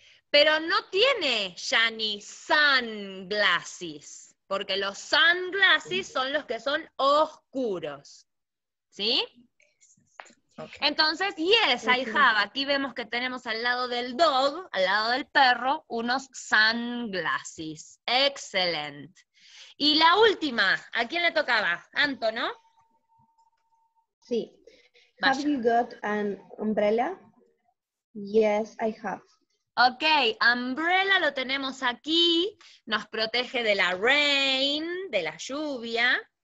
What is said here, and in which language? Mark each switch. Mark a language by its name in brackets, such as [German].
[Spanish] Pero no tiene Shani sunglasses, porque los sunglasses son los que son oscuros. ¿Sí? Okay. Entonces, [English] yes, I have. [Spanish] Aquí vemos que tenemos al lado del dog, al lado del perro, unos sunglasses. Excellent. Y la última, ¿a quién le tocaba? Anto, ¿no? Sí. Vaya. [English] Have you got an umbrella? Yes, I have. [Spanish] Ok, umbrella lo tenemos aquí, nos protege de la rain, de la lluvia.